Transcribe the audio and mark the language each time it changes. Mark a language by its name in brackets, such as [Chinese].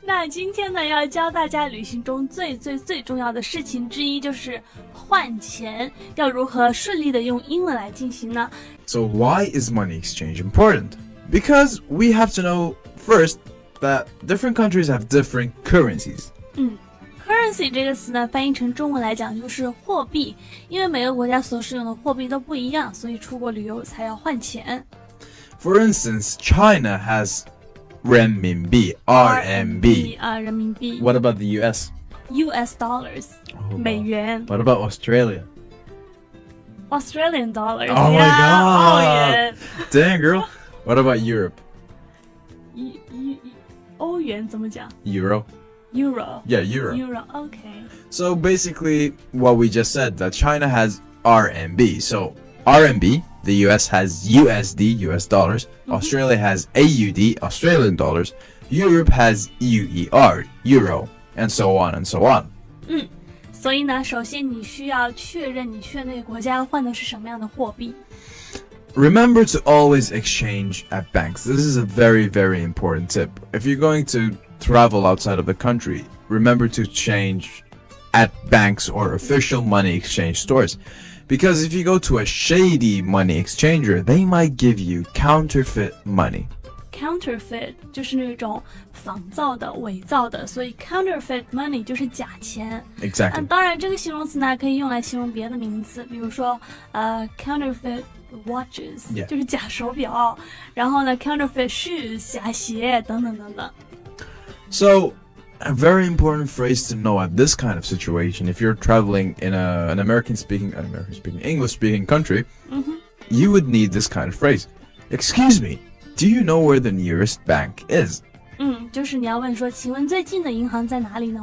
[Chinese] 那今天呢要教大家旅行中最最最重要的事情之一就是换钱要如何顺利的用英文来进行呢 [English] So why is money exchange important? Because we have to know first that different countries have different currencies. [Chinese] 嗯Currency 这个词呢，翻译成中文来讲就是货币，因为每个国家所使用的货币都不一样，所以出国旅游才要换钱。 [English] For instance, China has renminbi, RMB. Renminbi. What about the US? US dollars,、 [Chinese] 美元。 [English] What about Australia? Australian dollars. Oh my god! Oh, yeah. Dang girl. What about Europe? [Chinese] Euro 元怎么讲 [English] Euro. Euro. Yeah, Euro. Euro, okay. So basically, what we just said, that China has RMB. So RMB, the US has USD, US dollars. Australia has AUD, Australian dollars. Europe has EUR, Euro, and so on and so on. [Chinese] 所以呢首先你需要确认你去那个国家换的是什么样的货币。 [English] Remember to always exchange at banks. This is a very, very important tip. If you're going to... travel outside of the country, remember to change at banks or official money exchange stores. Because if you go to a shady money exchanger, they might give you counterfeit money. [Chinese] Counterfeit 就是那种仿造的、伪造的，所以 [English] counterfeit money [Chinese] 就是假钱。 [English] Exactly. [Chinese] 当然这个形容词呢可以用来形容别的名字，比如说 [English] counterfeit watches,、 yeah. [Chinese] 就是假手表，然后呢 [English] counterfeit shoes, [Chinese] 假鞋等等等等。 [English] So, a very important phrase to know at this kind of situation, if you're traveling in an English-speaking country,、you would need this kind of phrase. Excuse me, do you know where the nearest bank is? [Chinese] 就是你要问说，请问最近的银行在哪里呢？